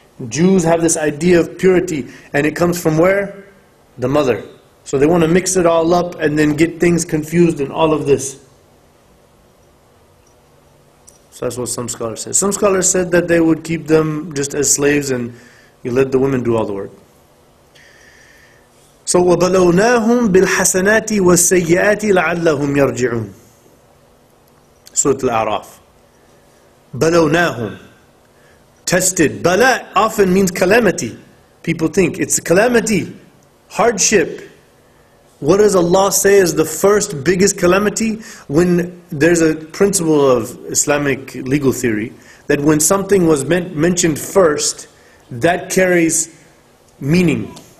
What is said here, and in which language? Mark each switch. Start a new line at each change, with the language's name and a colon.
English: Jews have this idea of purity, and it comes from where? The mother. So they want to mix it all up and then get things confused and all of this. So that's what some scholars said. Some scholars said that they would keep them just as slaves and you let the women do all the work.
Arabic: So وَبَلَوْنَاهُمْ بِالْحَسَنَاتِ وَالسَّيِّئَاتِ لَعَلَّهُمْ يَرْجِعُونَ Surah Al-A'raf.
English: بَلَوْنَاهُمْ Tested. Bala often means calamity. People think it's a calamity, hardship. What does Allah say is the first biggest calamity? When there's a principle of Islamic legal theory that when something was mentioned first, that carries meaning.